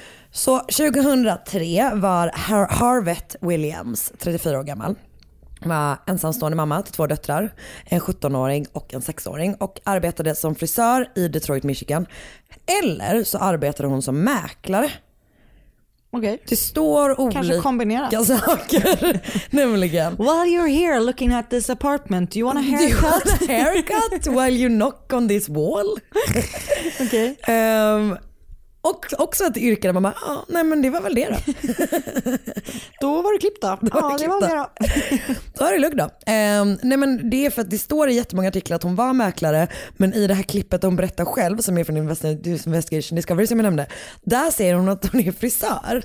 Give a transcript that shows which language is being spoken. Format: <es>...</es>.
<sv>Så 2003 var Harvett Williams 34 år gammal. Var ensamstående mamma till 2 döttrar, en 17-åring och en 6-åring, och arbetade som frisör i Detroit, Michigan. Eller så arbetade hon som mäklare.</sv> <en>Okay.</en> <sv>Det står olika kombinera saker. Nämligen.</sv> <en>While you're here looking at this apartment, you want a haircut? Do you want a haircut while you knock on this wall? Okay.</en> <sv>Och också att yrka där mamma. Ja, nej, men det var väl det då. Då var det klippt då. Ja, det var det då. Då är det lugnt då. Nej, men det är för att det står i jättemånga artiklar att hon var mäklare, men i det här klippet hon berättar själv, som är från Investigation Discovery som jag nämnde, där säger hon att hon är frisör.</sv>